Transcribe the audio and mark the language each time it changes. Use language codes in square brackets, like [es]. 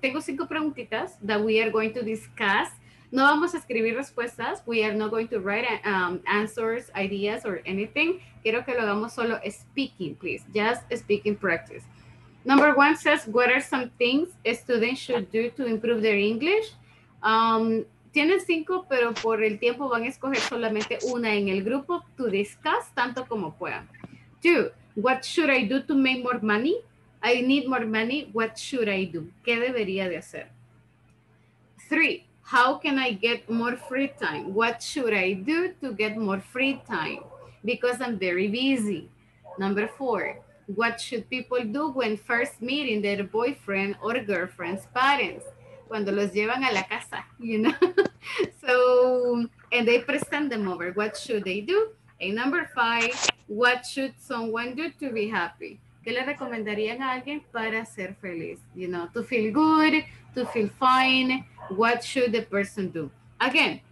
[es] Tengo cinco preguntitas [en] that we are going to discuss. [es] No vamos a escribir respuestas. [en] We are not going to write answers, ideas, or anything. [es] Quiero que lo hagamos solo [en] speaking, please. Just speaking practice. Number one says, what are some things a student should do to improve their English? [es] Tienen cinco, pero por el tiempo van a escoger solamente una en el grupo [en] to discuss [es] tanto como puedan. [en] Two, what should I do to make more money? I need more money. What should I do? [es] ¿Qué debería de hacer? [en] Three, how can I get more free time? What should I do to get more free time? Because I'm very busy. Number four, what should people do when first meeting their boyfriend or girlfriend's parents? [es] Cuando los llevan a la casa, [en] you know? So, and they present them over. What should they do? And number five, what should someone do to be happy? [es] ¿Qué le recomendarían a alguien para ser feliz? [en] You know, to feel good, to feel fine. What should the person do? Again,